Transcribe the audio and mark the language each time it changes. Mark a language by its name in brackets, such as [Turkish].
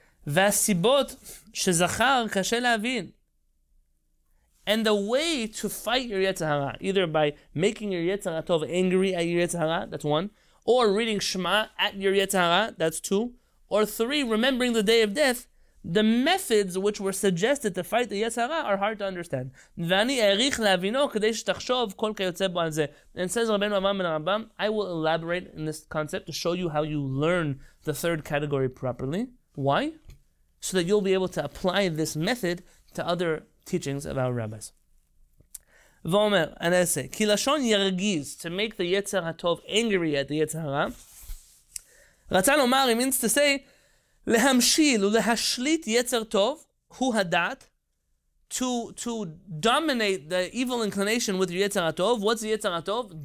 [Hebrew] והסיבות שזכר קשה להבין. [English] And the way to fight your Yetzer Hara, either by making your Yetzer HaTov angry at your Yetzer Hara, that's one, or reading Shema at your Yetzer Hara, that's two, or three, remembering the day of death, the methods which were suggested to fight the Yetzer Hara are hard to understand. [Hebrew] ואני אעריך להבינו כדי שתחשוב כל כיוצא בו על זה. [English] And says Rabbeinu Avraham ben Rambam, I will elaborate in this concept to show you how you learn the third category properly. Why? So that you'll be able to apply this method to other teachings of our rabbis. [Hebrew] V'omer, [English] and I say, [Hebrew] ki lashon yargiz, [English] to make the Yetzer HaTov angry at the Yetzer Hara, [Hebrew] ratzan omar, [English] it means to say, [Hebrew] lehamshil ulehashlit Yetzer Tov, hu hadat, [English] to dominate the evil inclination with your Yetzer HaTov. What's the Yetzer HaTov?